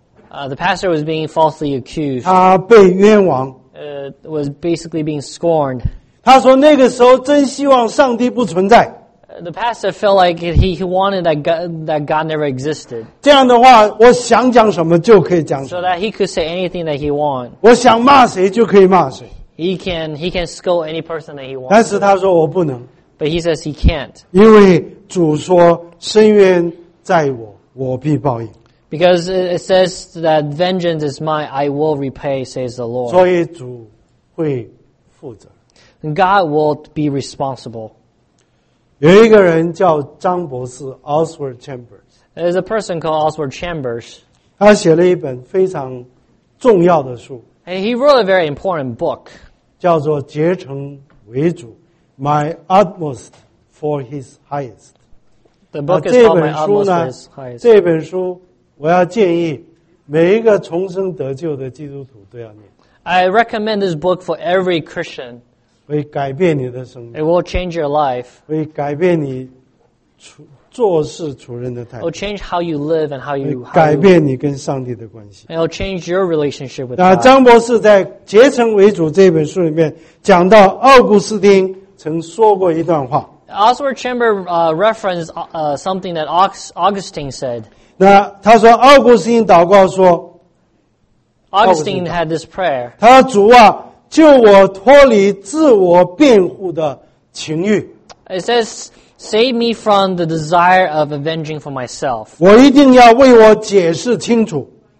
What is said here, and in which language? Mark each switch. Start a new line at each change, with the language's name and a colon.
English: The pastor was being falsely accused.
Chinese: 他被冤枉。
English: Was basically being scorned.
Chinese: 他说那个时候真希望上帝不存在。
English: The pastor felt like he wanted that God never existed.
Chinese: 这样的话，我想讲什么就可以讲什么。
English: So that he could say anything that he want.
Chinese: 我想骂谁就可以骂谁。
English: He can scold any person that he want.
Chinese: 但是他说我不能。
English: But he says he can't.
Chinese: 因为主说伸冤在我，我必报应。
English: Because it says that vengeance is mine, I will repay, says the Lord.
Chinese: 所以主会负责。
English: God will be responsible.
Chinese: 有一个人叫张博士 ,Oswald Chambers.
English: There's a person called Oswald Chambers.
Chinese: 他写了一本非常重要的书。
English: And he wrote a very important book.
Chinese: 叫做《竭诚为主》。
English: My utmost for his highest. The book is called My Utmost for His Highest.
Chinese: 这本书我要建议每一个重生得救的基督徒都要念。
English: I recommend this book for every Christian.
Chinese: 会改变你的生命。
English: It will change your life.
Chinese: 会改变你做事处人的态度。
English: It will change how you live and how you
Chinese: 改变你跟上帝的关系。
English: It will change your relationship with God.
Chinese: 张博士在《竭诚为主》这本书里面讲到奥古斯丁曾说过一段话。
English: Oswald Chambers referenced something that Augustine said.
Chinese: 那他说奥古斯丁祷告说
English: Augustine had this prayer.
Chinese: 他说主啊救我脱离自我辩护的情欲。
English: It says, save me from the desire of avenging for myself.
Chinese: 我一定要为我解释清楚。